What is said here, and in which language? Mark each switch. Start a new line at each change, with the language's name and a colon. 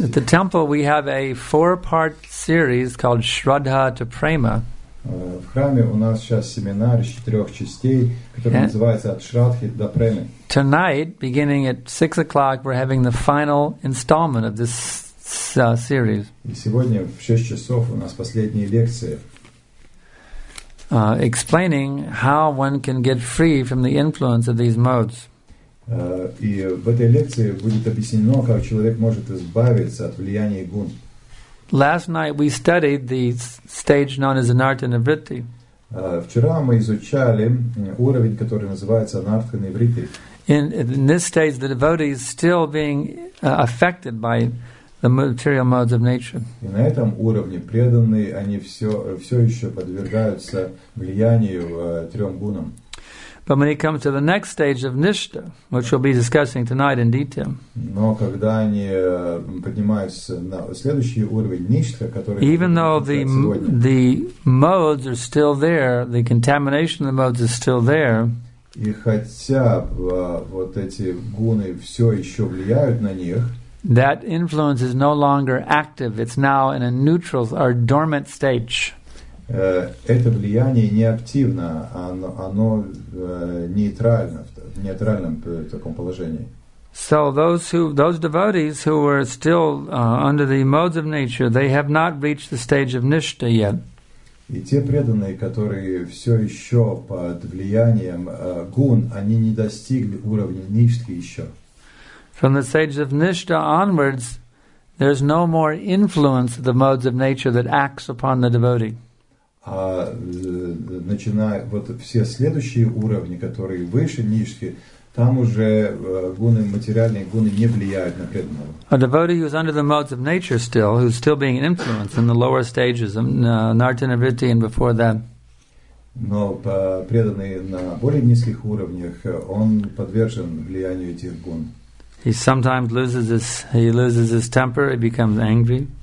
English: At the temple we have a four-part series called Shraddha to Prema.
Russian: В храме у нас сейчас семинар из четырех частей, который называется «От Шрадхи до Премы».
English: Tonight, beginning at 6 o'clock, we're having the final installment of this series.
Russian: И сегодня в 6 часов у нас последняя лекция.
English: Explaining how one can get free from the influence of these modes.
Russian: И в этой лекции будет объяснено, как человек может избавиться от влияния гун.
English: Last night we studied the stage known as anartha nivritti.
Russian: Вчера мы изучали уровень, который называется anartha nivritti.
English: In this stage, the devotee is still being affected by the material modes of nature.
Russian: И на этом уровне преданные они все еще подвергаются влиянию трем гунам.
English: But when he comes to the next stage of nishta, which we'll be discussing tonight in detail.
Russian: Но когда они поднимаются на следующий уровень ништа, который
English: Even though the modes are still there, the contamination of the modes is still there.
Russian: И хотя вот эти гуны все еще влияют на них.
English: That influence is no longer active. It's now in a neutral or dormant stage.
Russian: Это влияние не активно, оно нейтрально, в нейтральном таком положении.
English: So those devotees who are still under the modes of nature, they have not reached the stage of nishta yet.
Russian: И те преданные, которые все еще под влиянием гун, они не достигли уровня ништхи еще.
English: From the stage of nishta onwards, there's no more influence of the modes of nature that acts upon the devotee.
Russian: А начиная вот все следующие уровни, которые выше ништхи, там уже гуны, материальные гуны не влияют на преданного.
English: A devotee who's under the modes of nature still, who's still being influenced in the lower stages, anartha nivritti and before that.
Russian: Но преданный на более низких уровнях, он подвержен влиянию этих гун.
English: He sometimes loses his, he loses his temper, he becomes angry.